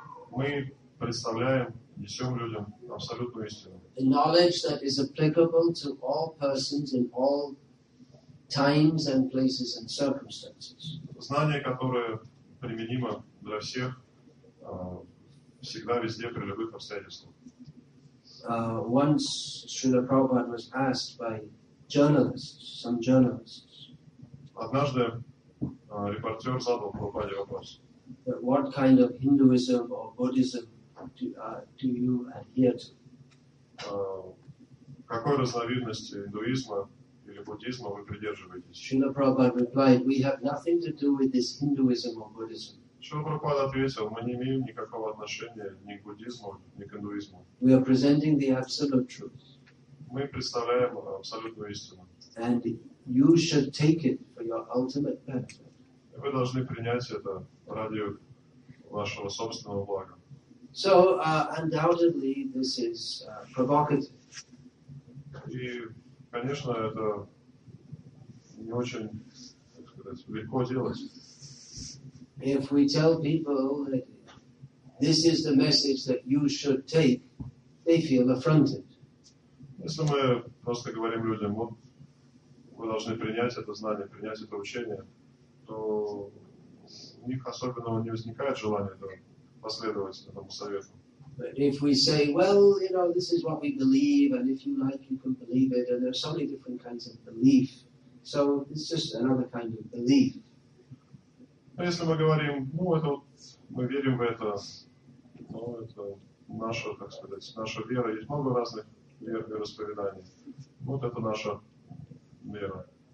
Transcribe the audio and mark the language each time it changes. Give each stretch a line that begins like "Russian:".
Russian: Мы представляем, несем людям абсолютную истину.
English: The knowledge that is applicable to all persons in all times and places and circumstances.
Russian: Знание, которое применимо для всех, всегда, везде, при любых обстоятельствах.
English: Once Srila Prabhupada was asked by journalists, some journalists.
Russian: Однажды репортер задал Прабхупаде вопрос.
English: What kind of Hinduism or Buddhism do you adhere to?
Russian: Какой разновидности индуизма или буддизма вы придерживаетесь?
English: Srila Prabhupada replied, we have nothing to do with this Hinduism or Buddhism.
Russian: Шрила Прабхупада ответил, мы не имеем никакого отношения ни к буддизму, ни к индуизму.
English: We are presenting the absolute truth.
Russian: Мы представляем абсолютную истину.
English: And you should take it for your ultimate benefit.
Russian: Вы должны принять это ради вашего собственного блага.
English: So, undoubtedly, this is provocative.
Russian: И, конечно, это не очень, так сказать, легко делать.
English: If we tell people that this is the message that you should take, they feel affronted.
Russian: Если мы просто говорим людям, вот вы должны принять это знание, принять это учение, то у них особенного не возникает желания этого, последовать этому совету.
English: But if we say, well, you know, this is what we believe, and if you like, you can believe it, and there are so many different kinds of belief, so it's just another kind of belief.
Russian: Но если мы говорим, ну, это вот, мы верим в это, ну, это наша, так сказать, наша вера, есть много разных вер, вероисповеданий. Вот это наша вера.